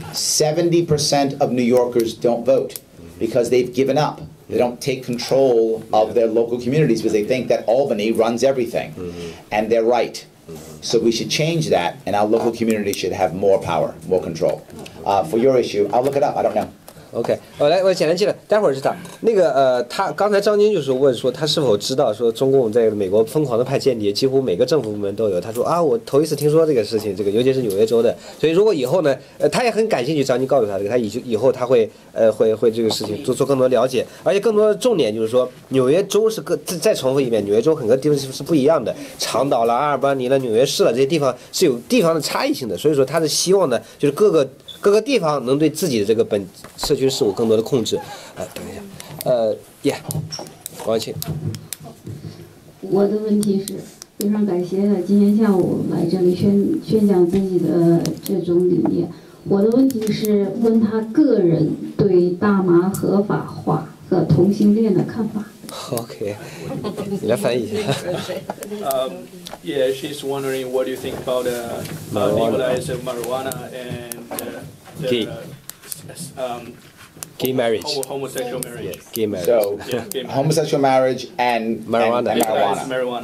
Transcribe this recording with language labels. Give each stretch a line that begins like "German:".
English: 70% of New Yorkers don't vote because they've given up. They don't take control of their local communities because they think that Albany runs everything. Mm-hmm. And they're right. So we should change that, and our local community should have more power, more control. For your issue, I'll look it up. I don't know. Okay.
Chinese: 来，我简单记得，待会儿是他。那个他刚才张军就是问说，他是否知道说中共在美国疯狂的派间谍，几乎每个政府部门都有。他说啊，我头一次听说这个事情，这个尤其是纽约州的。所以如果以后呢，他也很感兴趣。张军告诉他这个，他以后他会这个事情做更多了解，而且更多的重点就是说，纽约州是再重复一遍，纽约州很多地方是不一样的，长岛了、阿尔巴尼了、纽约市了，这些地方是有地方的差异性的。所以说他是希望呢，就是各个地方能对自己的这个本社区事务更多的控制。等一下，王文清。我的问题是，非常感谢今天下午来这里宣讲自己的这种理念。我的问题是问他个人对大麻合法化和同性恋的看法。 OK, 你来翻译一下。
English: yeah, she's wondering what do you think about legalize marijuana and gay marriage, homosexual marriage. Yeah, gay marriage. So, yeah, gay marriage. Homosexual marriage and marijuana. Marijuana.